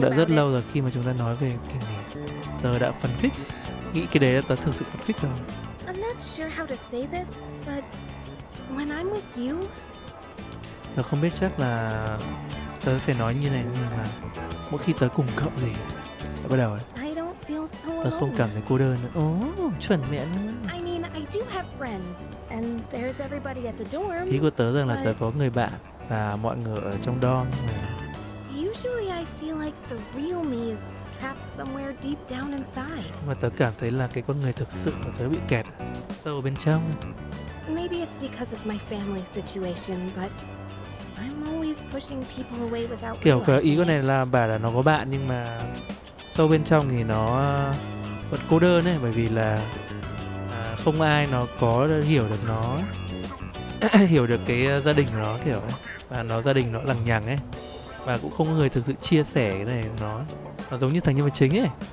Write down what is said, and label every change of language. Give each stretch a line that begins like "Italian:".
Vietnamese: đã rất lâu rồi khi mà chúng ta nói về cái này. Tớ đã phấn khích. Nghĩ cái đấy là tớ thực sự phấn khích rồi.
English: I'm not sure how to say this, but when I'm with you,
Vietnamese: tớ không biết chắc là tớ phải nói như này nhưng mà mỗi khi tớ cùng cậu thì tớ bắt đầu
English: I don't feel so
Vietnamese: tớ không cảm thấy cô đơn nữa. Chuẩn mẹ luôn.
English: I mean, I do have friends, and there's everybody at the dorm.
Vietnamese: Ý của tớ rằng là tớ có người bạn và mọi người ở trong dorm.
English: Usually, I feel like the real me is trapped somewhere deep down inside.
Vietnamese: Mà tớ cảm thấy là cái con người thực sự của tớ bị kẹt sâu bên trong.
English: Maybe it's because of my family situation, but I'm always pushing people away without.
Vietnamese: Kiểu cái ý con này là bảo là nó có bạn nhưng mà sâu bên trong thì nó vẫn cô đơn ấy, bởi vì là không ai nó có hiểu được nó. Hiểu được cái gia đình của nó kiểu ấy. Và nó gia đình nó lằng nhằng ấy. Và cũng không có người thực sự chia sẻ cái này nó. Nó giống như thằng nhân vật chính ấy.